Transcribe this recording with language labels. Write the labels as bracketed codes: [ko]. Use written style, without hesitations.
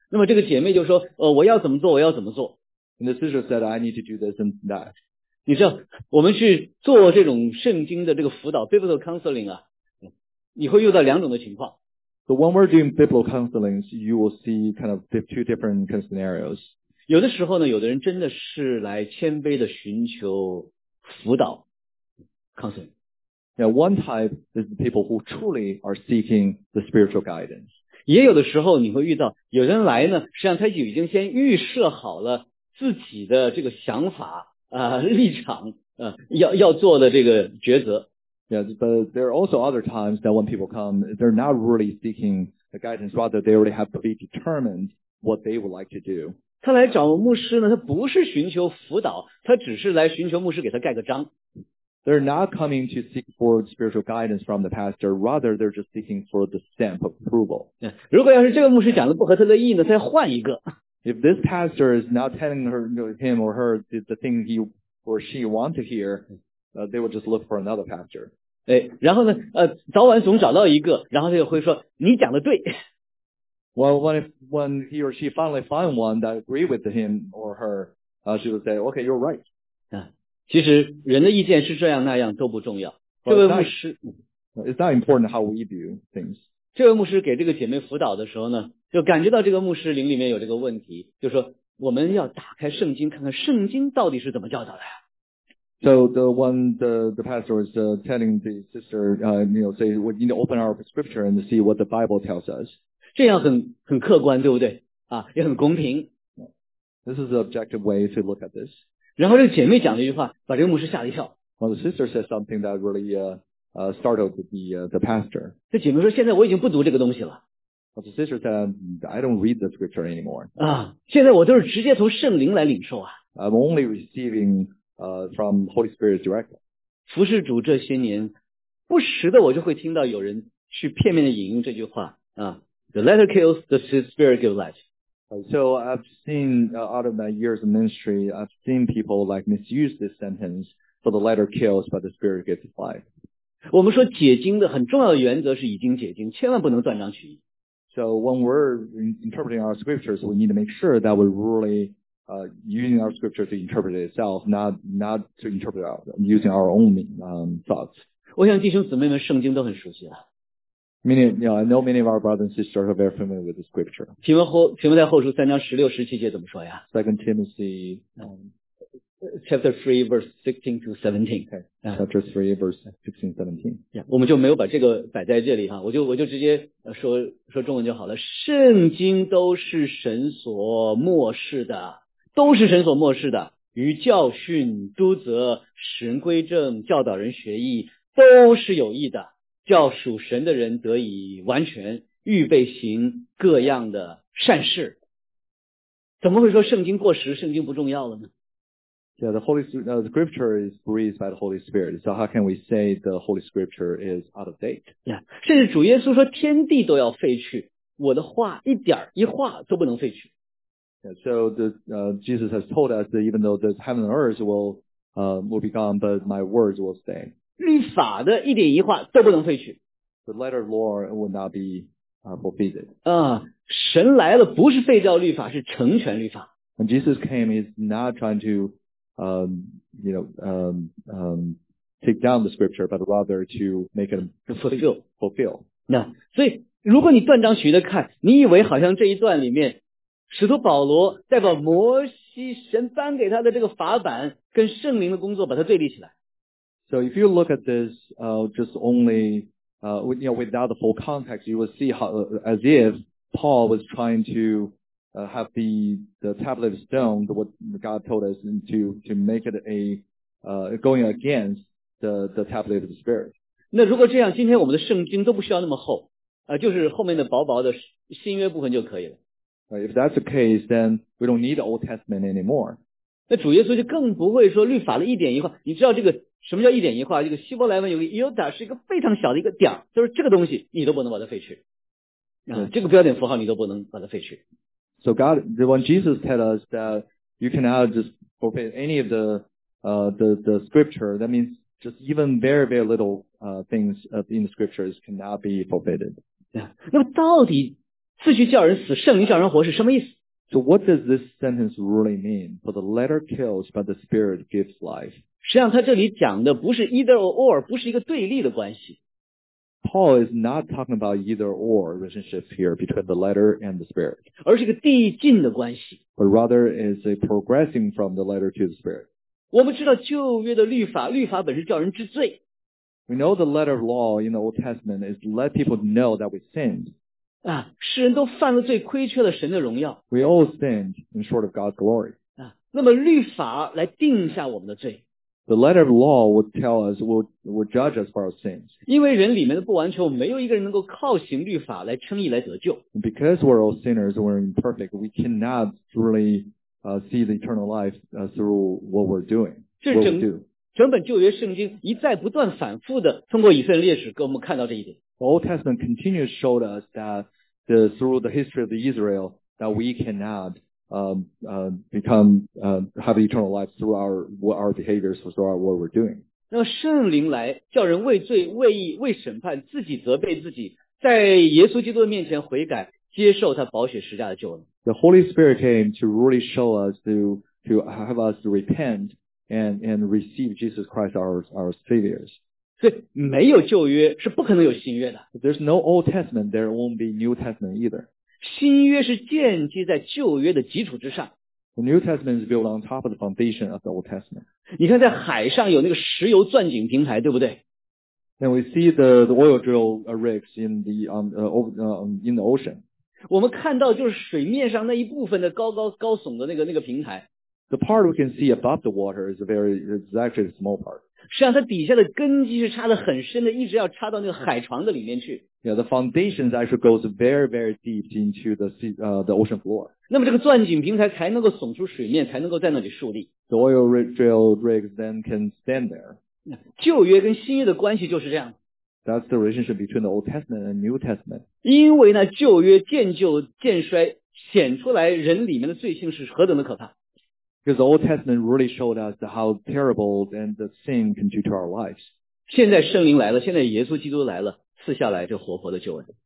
[zh] 那么这个姐妹就说我要怎么做我要怎么做。 [en] And the sister said, I need to do this and that. [zh] 你知道我们去做这种圣经的这个辅导 [en] biblical counseling [zh] 啊，你会遇到两种的情况。 [en] So when we're doing biblical counseling, you will see kind of two different kind of scenarios. [zh] 有的时候呢有的人真的是来谦卑的寻求辅导 counseling. [en] Yeah, one type is the people who truly are seeking the spiritual guidance. [zh] 也有的时候你会遇到有人来呢实际上他已经先预设好了自己的这个想法立场要做的这个抉择。 [en] Yes, but there are also other times that when people come, they're not really seeking the guidance, rather they already have predetermined what they would like to do. [zh] 他来找牧师呢，他不是寻求辅导，他只是来寻求牧师给他盖个章。 [en] They're not coming to seek for spiritual guidance from the pastor, rather they're just seeking for the stamp of approval. [zh] 如果要是这个牧师讲的不合他的意呢，再换一个。 [en] If this pastor is not telling him or her the thing he or she want to hear,they will just look for another pastor. [zh] 哎，然后呢，早晚总找到一个，然后他就会说你讲的对。 [en] Well, when he or she finally find one that agree with him or her, she will say, okay, you're right. [zh] 其实人的意见是这样那样都不重要。这位牧师 [en] It's not important how we view things. [zh] 这位牧师给这个姐妹辅导的时候呢，就感觉到这个牧师灵里面有这个问题，就说我们要打开圣经，看看圣经到底是怎么教导的。 [en] So the one, the pastor is telling the sister, you know, say, we need to open our scripture and see what the Bible tells us. [zh] 这样很客观，对不对？啊，也很公平。 [en] This is an objective way to look at this. [zh] 然后这个姐妹讲了一句话，把这个牧师吓了一跳。 [en] Well, the sister said something that really startled the pastor. [zh] 这姐妹说，现在我已经不读这个东西了。 [en] Well, the sister said, I don't read the scripture anymore. [zh] 啊，现在我都是直接从圣灵来领受啊。 [en] I'm only receiving... from Holy Spirit directly. [zh] 服侍主这些年不时的我就会听到有人去片面的引用这句话啊 [en] The letter kills, the spirit gives life. So I've seen out of my years of ministry, I've seen people like misuse this sentence for the letter kills, but the spirit gives life. [zh] 我们说解经的很重要的原则是已经解经，千万不能断章取义。 [en] So when we're interpreting our scriptures, we need to make sure that we really using our scripture to interpret it itself, not to interpret it using our own thoughts. [zh] 我想弟兄姊妹们圣经都很熟悉啊。 [en] Many, you know, I know many of our brothers and sisters are very familiar with the scripture. [zh] 提摩太后书三章十六十七节怎么说呀 [en] ？Second Timothy, chapter 3 verse 16 to 17. Okay. Chapter 3 verse 16 17. [zh] Yeah, 我们就没有把这个摆在这里哈，我就直接说中文就好了。圣经都是神所默示的。都是神所默示的，与教训、督责、使人归正、教导人学义，都是有益的，叫属神的人得以完全，预备行各样的善事。怎么会说圣经过时，圣经不重要了呢 [en] ？Yeah, the Holy Scripture is breathed by the Holy Spirit. So how can we say the Holy Scripture is out of date? [zh] Yeah, 甚至主耶稣说天地都要废去，我的话一点一话都不能废去。 [en] Yeah, so Jesus has told us that even though the heaven and earth will be gone, but my words will stay. [zh] 律法的一点一画都不能废去。 [en] The letter of law will not be forfeited. [zh] 啊，神来了不是废掉律法，是成全律法。 [en] When Jesus came, he's not trying to take down the scripture, but rather to make it fulfill. [zh] 那所以如果你断章取义的看，你以为好像这一段里面。使徒保罗再把摩西神颁给他的这个法版跟圣灵的工作把它对立起来。 [en] So if you look at this, just only, you know, without the full context, you will see how, as if Paul was trying to, have the tablet of stone, what God told us, to make it going against the tablet of the Spirit. [zh] 那如果这样，今天我们的圣经都不需要那么厚，就是后面的薄薄的新约部分就可以了。 [en] Right? If that's the case, then we don't need the Old Testament anymore. [zh] 那主耶稣就更不会说律法的一点一划。你知道这个什么叫一点一划？这个希伯来文有个 iota， 是一个非常小的一个点，就是这个东西你都不能把它废去。这个标点符号你都不能把它废去。 [en] So God, when Jesus tells us that you cannot just forfeit any of the scripture, that means just even very, very little, things in the scriptures cannot be forfeited. Yeah. [zh] 那么到底次序叫人死，圣灵叫人活是什么意思？ [en] So what does this sentence really mean? For the letter kills, but the spirit gives life. [zh] 实际上他这里讲的不是 [en] either or, [zh] 不是一个对立的关系。 [en] Paul is not talking about either or relationship here between the letter and the spirit. [zh] 而是一个递进的关系。 [en] But rather is a progressing from the letter to the spirit. [zh] 我们知道旧约的律法本身叫人知罪。 [en] We know the letter of law in the Old Testament is to let people know that we sinned. [zh] 啊，世人都犯了罪，亏缺了神的荣耀。 [en] We all sinned in short of God's glory. [zh] 啊，那么律法来定下我们的罪。 [en] The letter of law will tell us, will judge us for our sins. [zh] 因为人里面的不完全，没有一个人能够靠行律法来称义来得救。 [en] Because we're all sinners, we're imperfect, we cannot truly, see the eternal life, through what we're doing. [zh] 这是整本旧约圣经一再不断反复的通过以色列历史给我们看到这一点。 [en] The Old Testament continues showed us that the, through the history of Israel, that we cannot become, have eternal life through our behaviors, through what we're doing. [zh] 那么圣灵来叫人为罪、为义、为审判，自己责备自己，在耶稣基督的面前悔改，接受他宝血十架的救恩。 [en] The Holy Spirit came to really show us to have us repent and receive Jesus Christ our saviors. [zh] 所以没有旧约是不可能有新约的。 [en] If、there's no Old Testament, there won't be New Testament either. [zh] 新约是建基在旧约的基础之上。 [en] The New Testament is built on top of the foundation of the Old Testament. [zh] 你看在海上有那个石油钻井平台，对不对？ [en] And we see the oil drill rigs in the ocean. [zh] 我们看到就是水面上那一部分的高耸的那个平台。 [en] The part we can see above the water is actually a small part. [zh] 实际上它底下的根基是插得很深的，一直要插到那个海床的里面去。 [en] Yeah, the foundation actually goes very, very deep into the sea, the ocean floor. [zh] 那么这个钻井平台才能够耸出水面，才能够在那里竖立。 [en] The oil drill rigs then can stand there. [zh] 旧约跟新约的关系就是这样。 [en] That's the relationship between the Old Testament and New Testament. [zh] 因为呢，旧约渐旧渐衰，显出来人里面的罪性是何等的可怕。 [en] Because the Old Testament really showed us how terrible and the sin can do to our lives. [zh] 现在圣灵来了，现在耶稣基督来了，赐下来这活活的救恩。